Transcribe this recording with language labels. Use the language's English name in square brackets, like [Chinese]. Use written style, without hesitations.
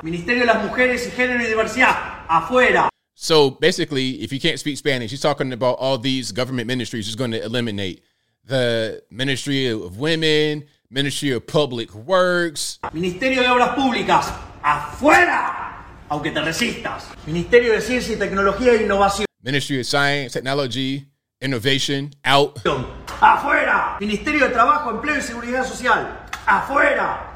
[Spanish] Ministerio de las Mujeres y Género y Diversidad, afuera. [English] So basically, if you can't speak Spanish, he's talking about all these government ministries he's going to eliminate. the Ministry of Women, Ministry of Public Works. [Spanish] Ministerio de Obras Públicas, afuera, aunque te resistas. Ministerio de Ciencia y Tecnología e Innovación. [English] Ministry of Science, Technology, Innovation, out. [Spanish] Afuera. Ministerio de Trabajo, Empleo y Seguridad Social, afuera.